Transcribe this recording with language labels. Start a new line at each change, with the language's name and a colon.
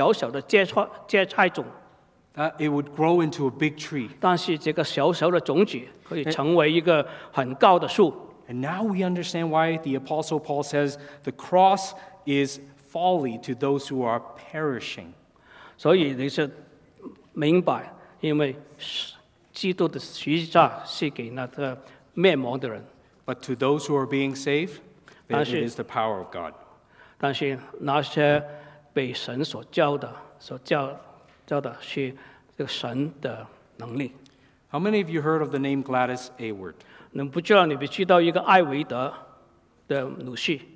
Chinese: 所以耶稣在那个比较神的国好像是小小的芥菜种。
English: It would grow into a big tree.
Chinese: 但是这个小小的种子可以成为一个很高的树。
English: And now we understand why the Apostle Paul says the cross is folly to those who are perishing.
Chinese: 所以你是明白，因为基督的十字架是给那个灭亡的人。
English: But to those who are being saved,
Chinese: 但是,
English: it is the power of God.
Chinese: 但是那些被神所教的，是这个神的能力。
English: How many of you heard of the name Gladys Aylward?
Chinese: 你不知道你不知道一个艾维德的女婿。